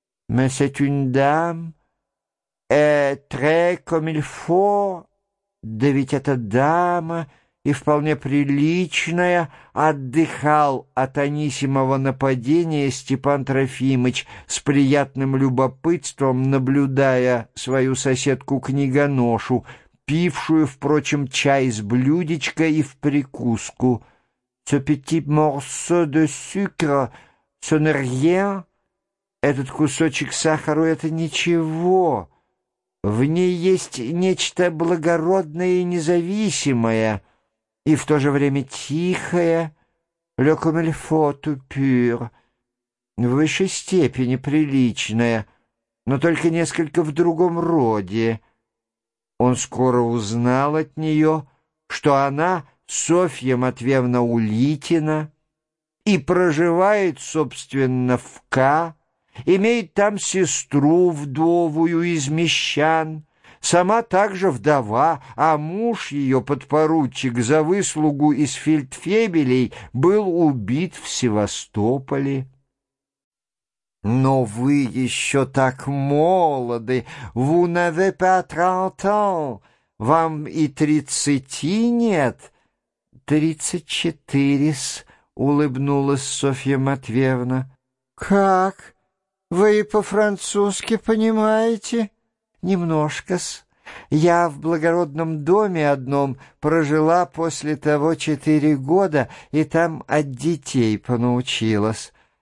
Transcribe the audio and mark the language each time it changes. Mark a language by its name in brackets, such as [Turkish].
[French] Mais c'est une dame, très comme il faut, [Russian] да ведь эта дама и вполне приличная, отдыхал от анисимого нападения Степан Трофимыч, с приятным любопытством наблюдая свою соседку-книгоношу, пившую, впрочем, чай с блюдечка и в прикуску. [French] «Ce petit morceau de sucre, ce n'est rien?» [Russian] «Этот кусочек сахара — это ничего. В ней есть нечто благородное и независимое». И в то же время тихая, [French] «le comme il faut, tout pur», [Russian] в высшей степени приличная, но только несколько в другом роде. Он скоро узнал от нее, что она Софья Матвеевна Улитина и проживает, собственно, в К, имеет там сестру вдовую из мещан, сама также вдова, а муж ее, подпоручик, за выслугу из фельдфебелей был убит в Севастополе. «Но вы еще так молоды! [French] Vous n'avez pas trente ans! [Russian] Вам и 30 нет?» 34-с, улыбнулась Софья Матвеевна. «Как? Вы по-французски понимаете?» «Немножко-с. Я в благородном доме одном прожила после того 4 года, и там от детей понаучилась».